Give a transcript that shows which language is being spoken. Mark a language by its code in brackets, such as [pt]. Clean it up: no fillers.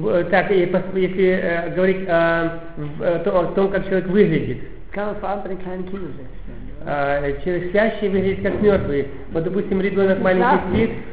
[ru] Так, и если говорить о том, как человек выглядит. [de] Kann man vor allem bei den kleinen Kindern sehen. [ru] Человек спящий выглядит как мертвый. Вот, допустим, ребенок маленький спит.